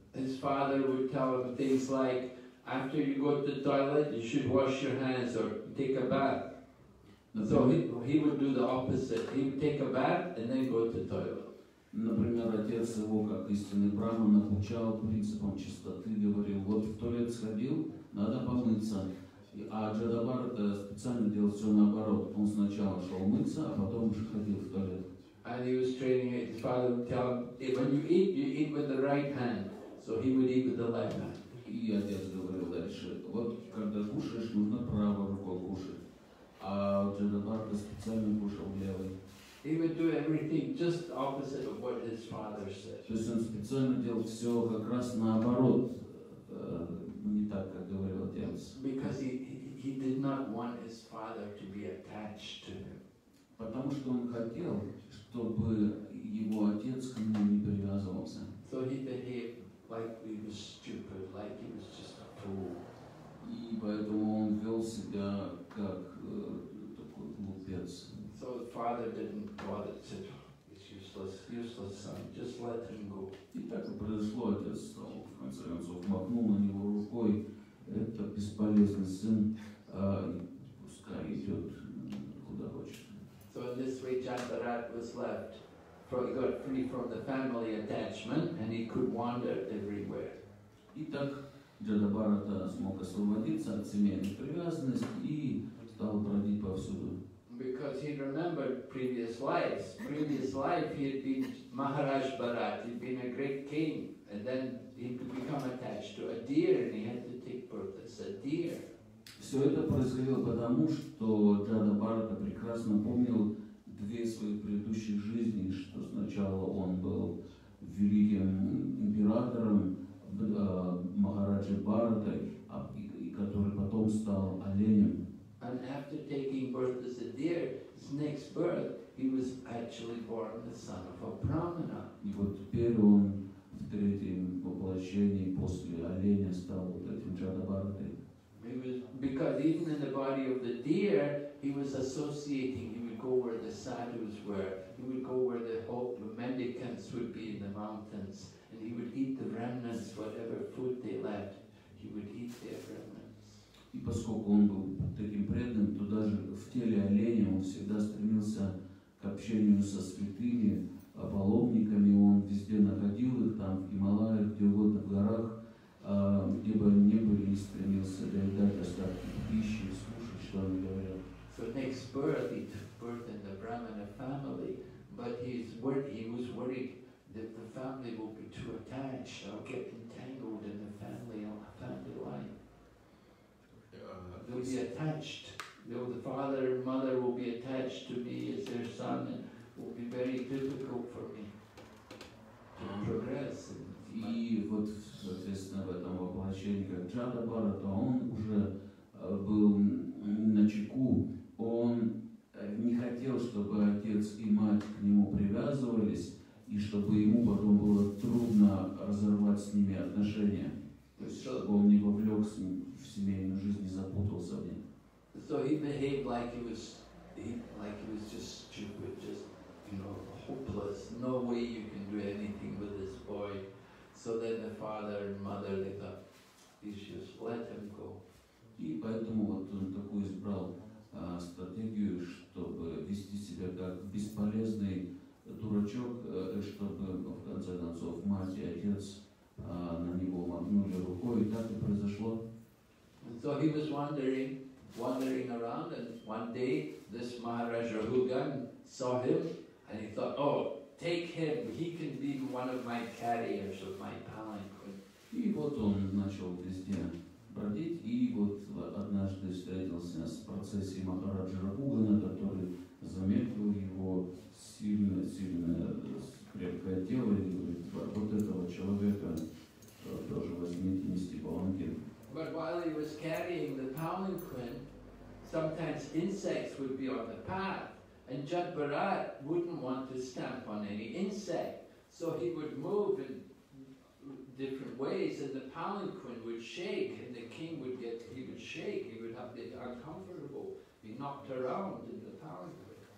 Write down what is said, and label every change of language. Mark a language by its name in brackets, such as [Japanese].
[English] His father would tell him things like, after you go to the toilet, you should wash your hands or take a bath. So he would do the opposite. He would take a bath and then go to the toilet. [Russian] Например, отец его, как истинный брахман, обучал принципам чистоты, говорил, вот в туалет сходил, надо помыться. А Джадабар специально делал все наоборот. Он сначала шел мыться, а потом уже ходил в туалет. [English] And he was training his father would tell him, when you eat with the right hand. So he would eat with the left hand. [Russian] И отец говорил дальше, вот когда кушаешь, нужно правой рукой кушать. А Джадабар специально кушал левой. [English] He would do everything just opposite of what his father said. [Russian] То есть он специально делал все как раз наоборот. Не так, как говорил отец. [English] Because he did not want his father to be attached to him. [Russian] Потому что он хотел, чтобы его отец к нему не привязывался. [English] So he behaved like he was stupid, like he was just a fool. [Russian] И поэтому он вел себя как такой глупец. [English] So his father didn't bother to him. It's useless son. Just let him go. [Russian] И так и произошло, отец стал. В конце концов, махнул на него рукой, это бесполезный сын, пускай идет куда хочет. [English] So in this way Jadabharat was left, he got free from the family attachment, and he could wander everywhere. [Russian] И так Джадабарата смог освободиться от семейной привязанности и стал бродить повсюду. [English] Because he remembered previous lives. Previous life he had been Maharaj Bharat, he'd been a great king. And then he could become attached to a deer, and he had to take birth as a deer. [Russian] Все это происходило потому, что Джадабарата прекрасно помнил две своих предыдущих жизни, что сначала он был великим императором Махараджи Бхарата, который потом стал оленем. [English] And after taking birth as a deer, his next birth, he was actually born the son of a brahmana. [Russian] И вот теперь он в третьем воплощении после оленя стал вот этим Джадабаратой. [English] Because even in the body of the deer, he was associating. He would go where the sadhus were. He would go where the mendicants would be in the mountains, and he would eat the remnants, whatever food they left. He would eat their remnants. [Russian] И поскольку он был таким преданным, то даже в теле оленя он всегда стремился к общению со святыми. А паломниками он везде находил их, там в Гималаях, где угодно, в горах, где бы они ни были, и стремился доедать остатки пищи, слушать, что они говорят. [English] So next birth, he took birth in the Brahmana family, but he was worried that the family will be too attached, I'll get entangled in the family, on the family line. They'll be attached. The father and mother will be attached to me as their son. Will be very difficult for me to progress. [Russian] И вот, соответственно, в этом воплощении как Джадабарата, он уже был начеку. Он не хотел, чтобы отец и мать к нему привязывались, и чтобы ему потом было трудно разорвать с ними отношения. То есть, чтобы он не вовлек в семейную жизнь и запутался в ней. [English] So he behaved like he was just stupid, just, you know, hopeless, no way you can do anything with this boy. So then the father and mother, they thought, he's just let him go. [Russian] И поэтому вот он такую избрал стратегию, чтобы вести себя как бесполезный дурачок, чтобы в конце концов мать и отец на него махнули рукой, и так и произошло. [English] And so he was wandering around, and one day this Maharaj Rahugan saw him. And he thought, oh, take him, he can be one of my carriers of my palanquin. [Russian] И вот он начал везде бродить, и вот однажды встретился с процессией Махараджа Рагугана, который заметил его сильное, крепкое тело, и говорит, вот этого человека тоже возьмите, нести палангин. [English] But while he was carrying the palanquin, sometimes insects would be on the path. And Jad Bharat wouldn't want to stamp on any insect. So he would move in different ways, and the palanquin would shake, and the king would get, he would shake, he would have been uncomfortable, be knocked around in the palanquin.